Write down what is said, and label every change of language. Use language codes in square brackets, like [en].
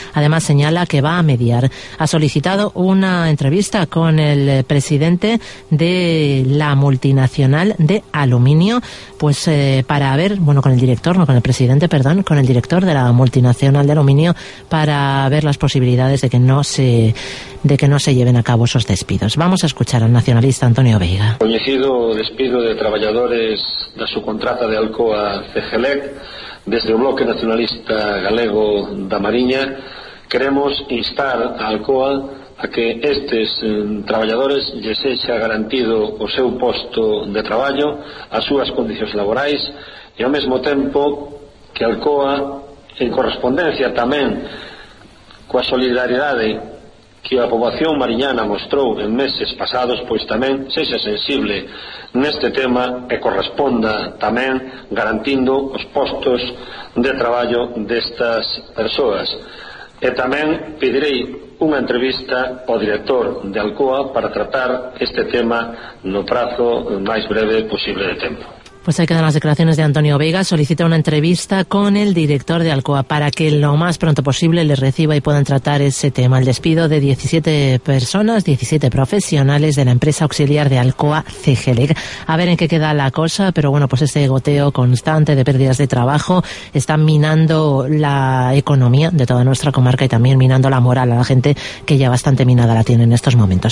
[es] Además señala que va a mediar. Ha solicitado una entrevista con el presidente de la multinacional de aluminio, pues para ver, bueno, con el director de la multinacional de aluminio, para ver las posibilidades de que no se lleven a cabo esos despidos. Vamos a escuchar al nacionalista Antonio Veiga. [gl] Coñecido despido de traballadores da subcontrata de Alcoa Cegelec, desde o Bloque Nacionalista Galego da Mariña, queremos instar a Alcoa a que estes traballadores lle sexa garantido o seu posto de traballo, as súas condicións laborais, e ao mesmo tempo que Alcoa, en correspondencia tamén coa solidaridade que a poboación mariñana mostrou en meses pasados, pois tamén sexa sensible neste tema e corresponda tamén garantindo os postos de traballo destas persoas. E tamén pedirei unha entrevista ao director de Alcoa para tratar este tema no prazo máis breve posible de tempo. [es] Pues ahí quedan las declaraciones de Antonio Veiga. Solicita una entrevista con el director de Alcoa para que lo más pronto posible le reciba y puedan tratar ese tema. El despido de 17 personas, 17 profesionales de la empresa auxiliar de Alcoa, Cegelec. A ver en qué queda la cosa, pero bueno, pues este goteo constante de pérdidas de trabajo está minando la economía de toda nuestra comarca y también minando la moral a la gente que ya bastante minada la tiene en estos momentos.